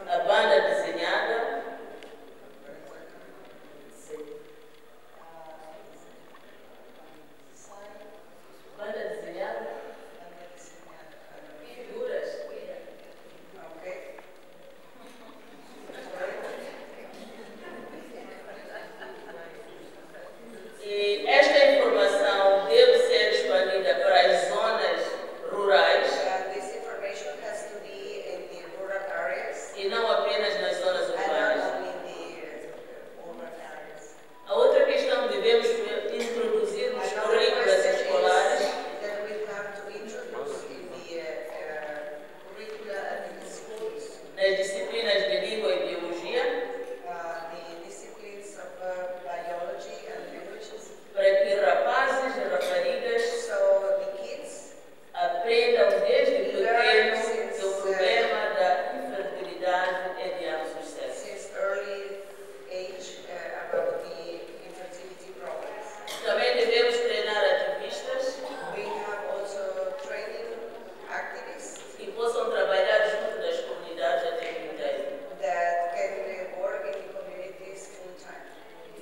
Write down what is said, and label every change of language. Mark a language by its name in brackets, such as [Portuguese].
[Portuguese] a banda desenhada, figuras. [English] Okay. [Portuguese] E esta informação deve ser expandida para as zonas rurais. [English] This information has to be in the rural areas. [Portuguese] E não apenas nas zonas urbanas. [English] And not only in the urban areas. [Portuguese] A outra questão que devemos introduzir nos currículos escolares. [English] That we have to introduce in the curricula and in the schools. [Portuguese] Nas disciplinas de língua e biologia. [English] The disciplines of biology and languages. [Portuguese] Para que rapazes e raparigas. [English] So the kids. [Portuguese] Aprendam desde pequeno que o problema da infertilidade é de alto sucesso. [English] Since early age, about the infertility problems. [Portuguese] Também devemos treinar ativistas. [English] We have also training activists. [Portuguese] Que possam trabalhar junto das comunidades a tempo inteiro. [English] That can work in the communities full time.